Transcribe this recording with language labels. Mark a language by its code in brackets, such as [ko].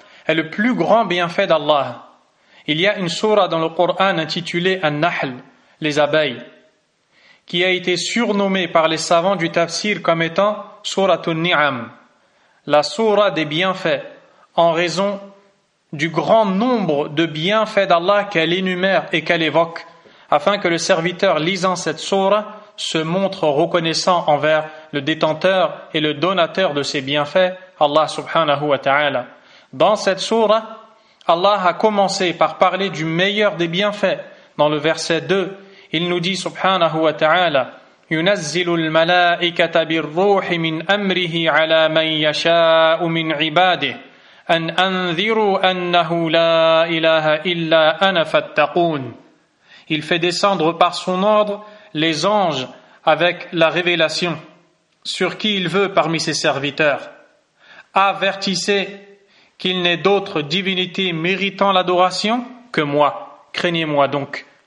[fr] est le plus grand bienfait d'Allah. Il y a une sourate dans le Coran intitulée An-Nahl, les abeilles, qui a été surnommée par les savants du tafsir comme étant sourate An-Ni'am, la sourate des bienfaits, en raison du grand nombre de bienfaits d'Allah qu'elle énumère et qu'elle évoque, afin que le serviteur lisant cette sourate se montre reconnaissant envers le détenteur et le donateur de ses bienfaits, Allah subhanahu wa ta'ala. Dans cette sourate, Allah a commencé par parler du meilleur des bienfaits. Dans le verset 2, il nous dit subhanahu wa ta'ala, [ar] يُنَزِّلُ الْمَلَائِكَةَ بِالرُّوحِ مِنْ أَمْرِهِ عَلَى مَنْ يَشَاءُ مِنْ عِبَادِهِ أَنْ أَنْذِرُوا أَنَّهُ لَا إِلَهَ إِلَّا أَنَا فَاتَّقُونَ. [fr] Il fait descendre par son ordre les anges avec la révélation sur qui il veut parmi ses serviteurs. Avertissez qu'il n'est d'autre divinité méritant l'adoration que moi. Craignez-moi donc.